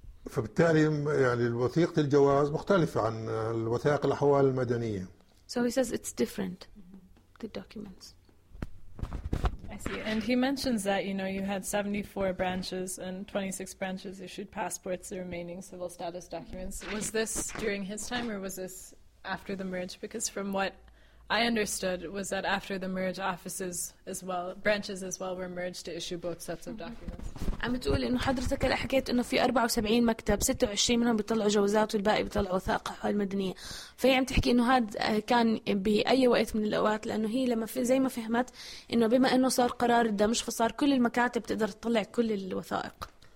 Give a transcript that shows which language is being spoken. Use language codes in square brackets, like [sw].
[ar] فبالتالي يعني الوثيقة الجواز مختلفة عن الوثائق الأحوال المدنية. [en] So he says it's different. The documents. I see. And he mentions that, you know, you had 74 branches and 26 branches issued passports, the remaining civil status documents. Was this during his time or was this after the merge? Because from what I understood was that after the merge, offices as well, branches as well were merged to issue both sets of documents. [ar] عم تقول إنه حضرتك اللي حكيت إنه في 74 مكتب 26 منهم بيطلعوا جوازات والباقي بيطلعوا وثائق أحوال مدنية. فهي عم تحكي إنه هذا كان بأي وقت من الأوقات، لأنه هي لما في زي ما فهمت إنه بما إنه صار قرار الدمج فصار كل المكاتب تقدر تطلع كل الوثائق.